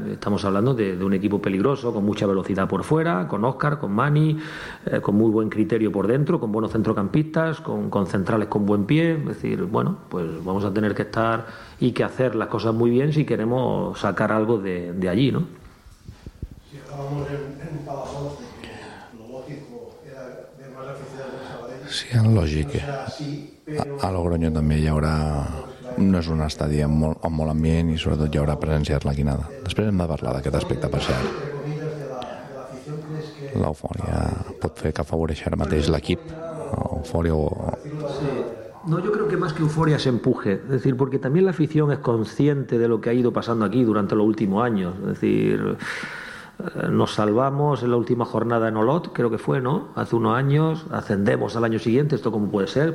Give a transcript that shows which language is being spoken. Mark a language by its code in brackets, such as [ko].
[es] Estamos hablando de un equipo peligroso, con mucha velocidad por fuera, con Óscar, con Mani, con muy buen criterio por dentro, con buenos centrocampistas, con centrales con buen pie. Es decir, bueno, pues vamos a tener que estar y que hacer las cosas muy bien si queremos sacar algo de allí, ¿no? Si estábamos en Palafox, lo lógico era de más aficionados a Sabadell. Sí, lógico. [ca] A Logroño també hi haurà, no és un estadi amb molt ambient, i sobretot hi haurà presència de l'equinada. Després hem de parlar d'aquest aspecte, per cert. L'eufòria pot fer que afavoreixi ara mateix l'equip? Eufòria o... [es] No, yo creo que más que euforia se empuje. Es decir, porque también la afición es consciente de lo que ha ido pasando aquí durante los últimos años. Es decir, nos salvamos en la última jornada en Olot, creo que fue, ¿no? Hace unos años, ascendemos al año siguiente, ¿esto cómo puede ser?